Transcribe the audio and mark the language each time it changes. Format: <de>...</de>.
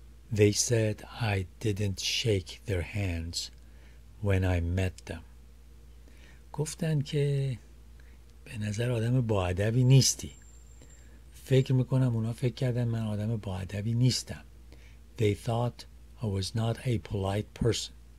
<en>They said I didn't shake their hands when I met them.</en> <fa>گفتن که به نظر آدم با ادبی نیستی. فکر میکنم اونا فکر کردن من آدم با ادبی نیستم.</fa> <en>They thought I was not a polite person.</en>